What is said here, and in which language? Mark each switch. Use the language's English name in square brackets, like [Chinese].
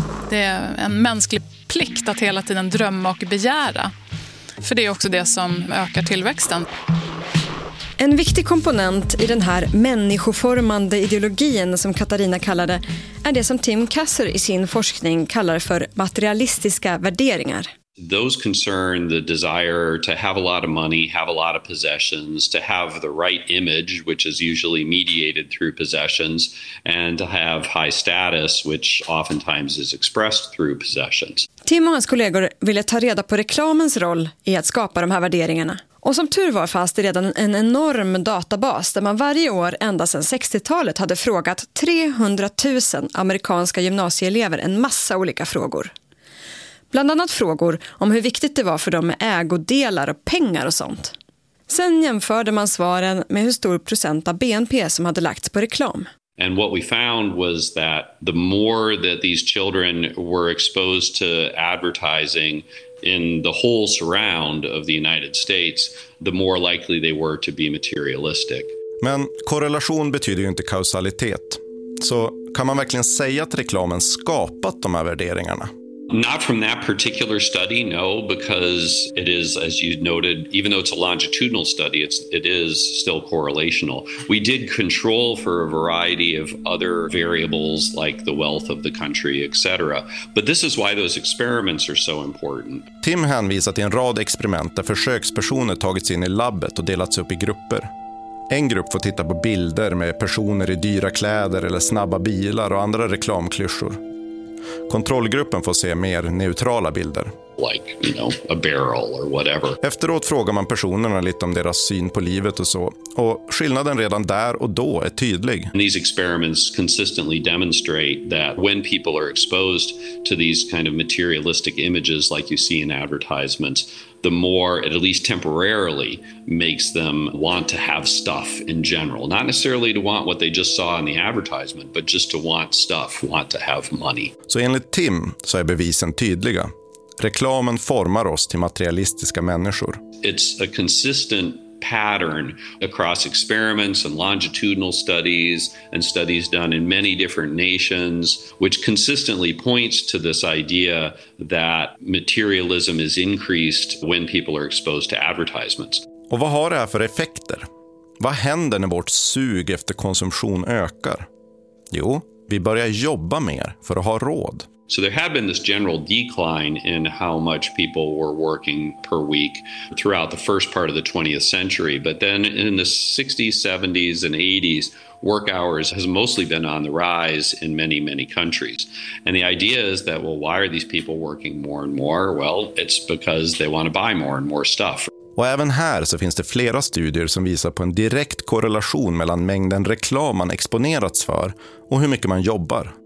[Swedish] Det är en mänsklig plikt att hela tiden drömma och begära. För det är också det som ökar tillväxten. En viktig komponent i den här människoformande ideologin som Katarina kallade är det som Tim Kasser i sin forskning kallar för materialistiska värderingar. [English] Those concern the desire to have a lot of money, have a lot of possessions, to have the right image, which is usually mediated through possessions, and to have high status, which oftentimes is expressed through possessions. [Swedish] Tim och hans kollegor ville ta reda på reklamens roll i att skapa de här värderingarna. Och som tur var fanns det redan en enorm databas där man varje år ända sedan 60-talet hade frågat 300 000 amerikanska gymnasieelever en massa olika frågor. Bland annat frågor om hur viktigt det var för dem med ägodelar och pengar och sånt. Sen jämförde man svaren med hur stor procent av BNP som hade lagts på reklam. [English] And what we found was that the more that these children were exposed to advertising in the whole surround of the United States, the more likely they were to be materialistic. [Swedish] Men korrelation betyder ju inte kausalitet. Så kan man verkligen säga att reklamen skapat de här värderingarna? [English] Not from that particular study, no, because it is, as you noted, even though it's a longitudinal study, it is still correlational. We did control for a variety of other variables like the wealth of the country, etc. But this is why those experiments are so important. [Swedish] Tim hänvisar till en rad experiment där försökspersoner tagits in i labbet och delats upp i grupper. En grupp får titta på bilder med personer i dyra kläder eller snabba bilar och andra reklamklyschor. Kontrollgruppen får se mer neutrala bilder. [English] Like, you know, a barrel or whatever. [Swedish] Efteråt frågar man personerna lite om deras syn på livet och så. Och skillnaden redan där och då är tydlig. [English] These experiments consistently demonstrate that when people are exposed to these kind of materialistic images like you see in advertisements, the more it at least temporarily makes them want to have stuff in general. Not necessarily to want what they just saw in the advertisement, but just to want stuff, want to have money. [Swedish] Så enligt Tim så är bevisen tydliga. Reklamen formar oss till materialistiska människor. [English] It's a consistent pattern across experiments and longitudinal studies and studies done in many different nations, which consistently points to this idea that materialism is increased when people are exposed to advertisements. [Swedish] Och vad har det här för effekter? Vad händer när vårt sug efter konsumtion ökar? Jo, vi börjar jobba mer för att ha råd. [English] So there had been this general decline in how much people were working per week throughout the first part of the 20th century. But then in the 60s, 70s and 80s, work hours has mostly been on the rise in many, many countries. And the idea is that, well, why are these people working more and more? Well, it's because they want to buy more and more stuff. [Swedish] Och även här så finns det flera studier som visar på en direkt korrelation mellan mängden reklam man exponerats för och hur mycket man jobbar.